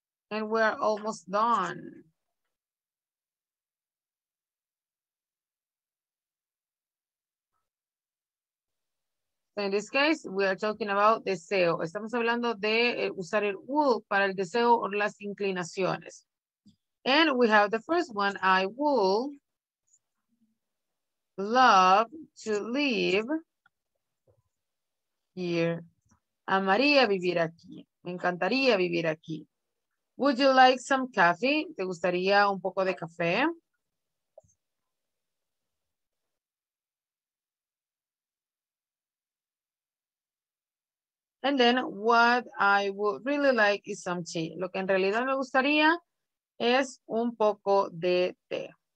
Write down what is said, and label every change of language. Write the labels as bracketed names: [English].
[English] And we are almost done. In this case, we are talking about deseo. [Spanish] Estamos hablando de usar el will para el deseo o las inclinaciones. [English] And we have the first one, I will love to live here. [Spanish] Amaría vivir aquí. Me encantaría vivir aquí. [English] Would you like some coffee? [Spanish] ¿Te gustaría un poco de café? [English] And then what I would really like is some tea. [Spanish] Lo que en realidad me gustaría es un poco de té.